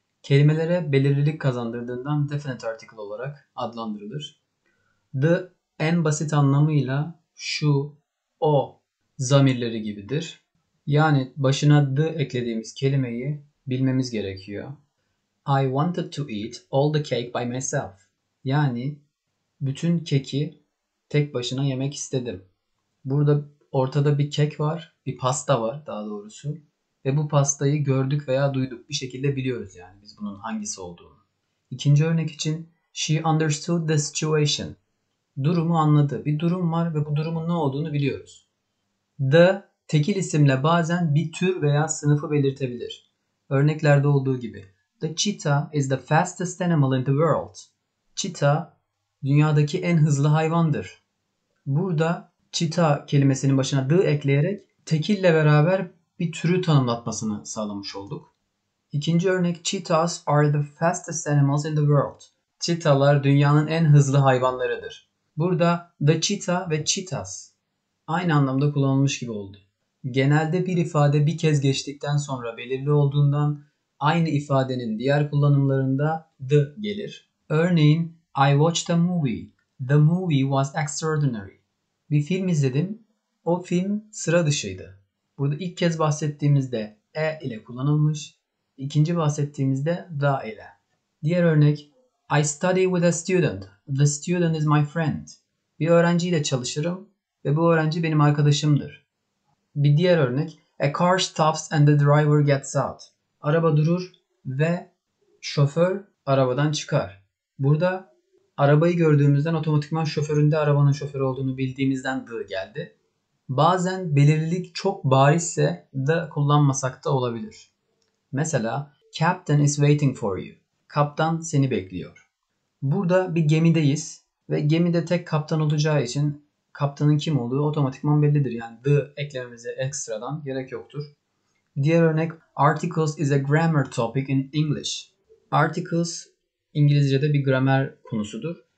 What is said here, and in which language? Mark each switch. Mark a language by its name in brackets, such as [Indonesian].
[Turkish] Kelimelere belirlilik kazandırdığından definite article olarak adlandırılır. The en basit anlamıyla şu, o zamirleri gibidir. Yani başına the eklediğimiz kelimeyi bilmemiz gerekiyor. [English] I wanted to eat all the cake by myself. [Turkish] Yani bütün keki tek başına yemek istedim. Burada ortada bir kek var, bir pasta var daha doğrusu. Ve bu pastayı gördük veya duyduk bir şekilde biliyoruz yani biz bunun hangisi olduğunu. İkinci örnek için [English] she understood the situation. [Turkish] Durumu anladı. Bir durum var ve bu durumun ne olduğunu biliyoruz. The tekil isimle bazen bir tür veya sınıfı belirtebilir. Örneklerde olduğu gibi. [English] The cheetah is the fastest animal in the world. [Turkish] Cheetah dünyadaki en hızlı hayvandır. Burada cheetah kelimesinin başına the ekleyerek tekille beraber bir türü tanımlatmasını sağlamış olduk. İkinci örnek [English] cheetahs are the fastest animals in the world. [Turkish] Cheetahlar dünyanın en hızlı hayvanlarıdır. Burada the cheetah ve cheetahs aynı anlamda kullanılmış gibi oldu. Genelde bir ifade bir kez geçtikten sonra belirli olduğundan aynı ifadenin diğer kullanımlarında the gelir. Örneğin [English] I watched a movie. The movie was extraordinary. [Turkish] Bir film izledim. O film sıra dışıydı. Burada ilk kez bahsettiğimizde e ile kullanılmış. İkinci bahsettiğimizde da ile. Diğer örnek. [English] I study with a student. The student is my friend. [Turkish] Bir öğrenciyle çalışırım ve bu öğrenci benim arkadaşımdır. Bir diğer örnek. [English] A car stops and the driver gets out. [Turkish] Araba durur ve şoför arabadan çıkar. Burada arabayı gördüğümüzden otomatikman şoförün de arabanın şoförü olduğunu bildiğimizden the geldi. Bazen belirlilik çok barizse the kullanmasak da olabilir. Mesela [English] Captain is waiting for you. [Turkish] Kaptan seni bekliyor. Burada bir gemideyiz ve gemide tek kaptan olacağı için kaptanın kim olduğu otomatikman bellidir. Yani the eklememize ekstradan gerek yoktur. Diğer örnek [English] Articles is a grammar topic in English. [Turkish] Articles İngilizce'de bir gramer konusudur.